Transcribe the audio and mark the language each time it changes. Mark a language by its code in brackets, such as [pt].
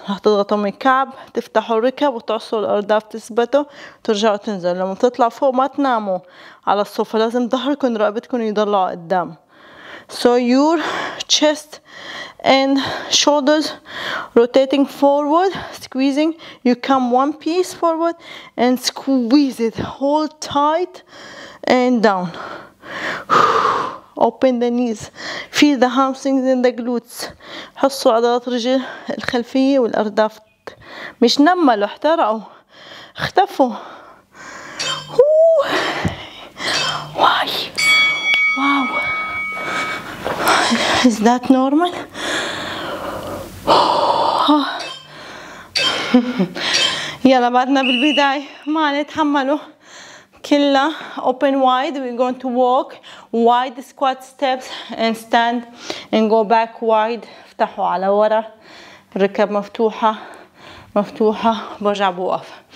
[ar] هتضغطوا من الكعب تفتحوا الركب وتعصوا الأرداف تثبتوا ترجعوا تنزلوا. لما تطلع فوق ما تناموا على الصوفة لازم ظهركم رقبتكم يضلوا قدام. [en] So your chest and shoulders rotating forward, squeezing. You come one piece forward and squeeze it. Hold tight and down. Open the knees. Feel the hamstrings and the glutes. [ar] حسوا عضلات رجل الخلفية والأرداف. مش نملوا احترقوا اختفوا. [en] Why? Wow. Is that normal? [ar] يلا بعدنا بالبداية ما نتحملوا كلها. [en] Open wide. We're going to walk wide squat steps and stand and go back wide. [ar] افتحوا على ورا. ركب مفتوحة مفتوحة برجع بوقف.